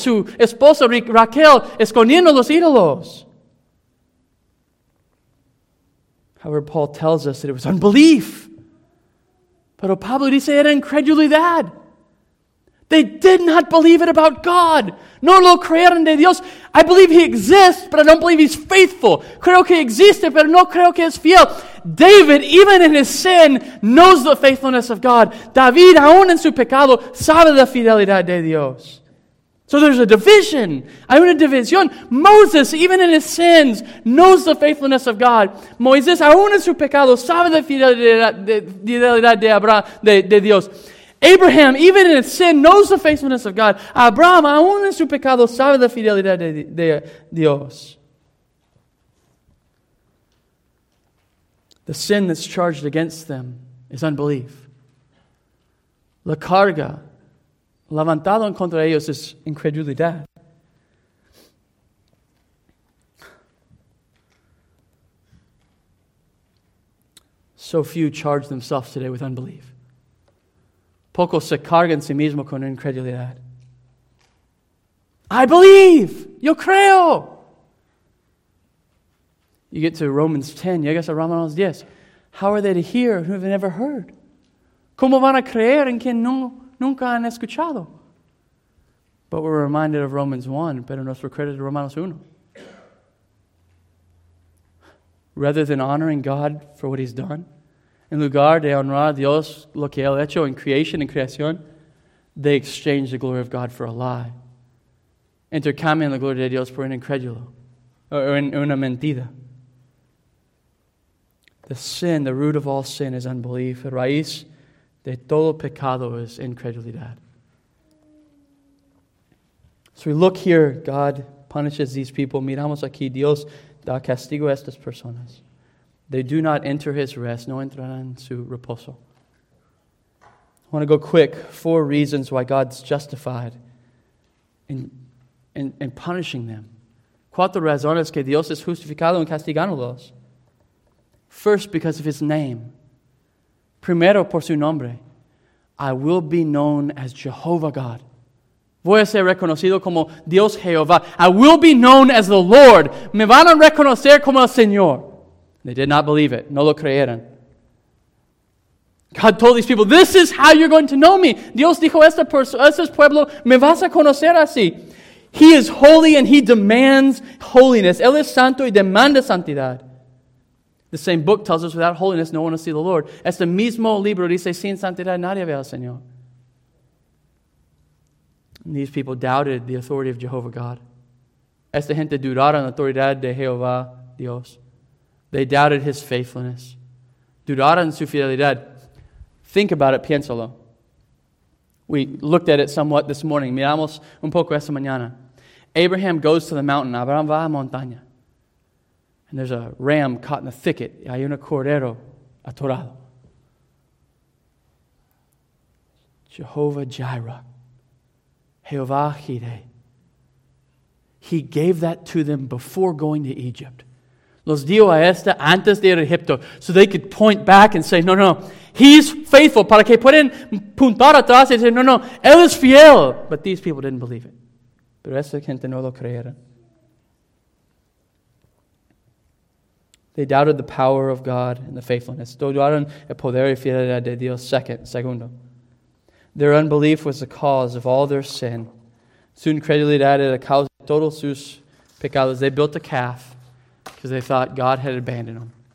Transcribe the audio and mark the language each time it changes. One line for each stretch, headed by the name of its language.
Spanish: Su esposa Raquel escondiendo los ídolos.
English: However, Paul tells us that it was unbelief.
Spanish: Pero Pablo dice era incredulidad.
English: They did not believe it about God.
Spanish: No lo creyeron de Dios.
English: I believe he exists, but I don't believe he's faithful.
Spanish: Creo que existe, pero no creo que es fiel.
English: David, even in his sin, knows the faithfulness of God.
Spanish: David, aún en su pecado, sabe la fidelidad de Dios.
English: So there's a division.
Spanish: Hay una división.
English: Moses, even in his sins, knows the faithfulness of God.
Spanish: Moisés, aún en su pecado, sabe la fidelidad de Abraham, de Dios.
English: Abraham, even in his sin, knows the faithfulness of God.
Spanish: Abraham, aún en su pecado, sabe la fidelidad de Dios.
English: The sin that's charged against them is unbelief.
Spanish: La carga levantado en contra de ellos es incredulidad.
English: So few charge themselves today with unbelief.
Spanish: Pocos se cargan sí mismo con incredulidad.
English: I believe.
Spanish: Yo creo.
English: You get to Romans 10.
Spanish: Llegas a Romanos 10.
English: How are they to hear who have never heard?
Spanish: ¿Cómo van a creer en quien no nunca han escuchado?
English: But we're reminded of Romans 1.
Spanish: Pero nos recuerda de Romanos 1.
English: Rather than honoring God for what he's done,
Spanish: en lugar de honrar a Dios lo que él ha hecho en creación y creación,
English: they exchange the glory of God for a lie.
Spanish: Intercambian la gloria de Dios por un incrédulo, o una mentira.
English: The sin, the root of all sin is unbelief.
Spanish: La raíz de todo pecado es incredulidad.
English: So we look here, God punishes these people.
Spanish: Miramos aquí, Dios da castigo a estas personas.
English: They do not enter his rest,
Spanish: no entran en su reposo.
English: I want to go quick. Four reasons why God's justified in punishing them. Cuatro razones que Dios es justificado en castigándolos. First, because of his name.
Spanish: Primero, por su nombre.
English: I will be known as Jehovah God.
Spanish: Voy a ser reconocido como Dios Jehová.
English: I will be known as the Lord.
Spanish: Me van a reconocer como el Señor.
English: They did not believe it.
Spanish: No lo creyeron.
English: God told these people, this is how you're going to know me.
Spanish: Dios dijo a este pueblo, me vas a conocer así.
English: He is holy and he demands holiness.
Spanish: Él es santo y demanda santidad.
English: The same book tells us, without holiness, no one will see the Lord.
Spanish: Este mismo libro dice, sin santidad nadie ve al Señor.
English: And these people doubted the authority of Jehovah God.
Spanish: Esta gente dudaron la autoridad de Jehová Dios.
English: They doubted his faithfulness.
Spanish: Dudaron su fidelidad.
English: Think about it,
Spanish: piénsalo.
English: We looked at it somewhat this morning.
Spanish: Miramos un poco esta mañana.
English: Abraham goes to the mountain.
Spanish: Abraham va a montaña.
English: And there's a ram caught in a thicket.
Spanish: Y hay un cordero atorado.
Hebrew: Jehovah Jireh. Jehovah Jireh.
English: He gave that to them before going to Egypt.
Spanish: Los dio a esta antes de ir a Egipto.
English: So they could point back and say, no, he's faithful.
Spanish: Para que pueden puntar atrás y decir, no, él es fiel.
English: But these people didn't believe it.
Spanish: Pero esta gente no lo creyeron.
English: They doubted the power of God and the faithfulness.
Spanish: Dudaron el poder y fidelidad de Dios. Segundo.
English: Their unbelief was the cause of all their sin.
Spanish: Su incredulidad era causa de todos sus pecados.
English: They built a calf because they thought God had abandoned them.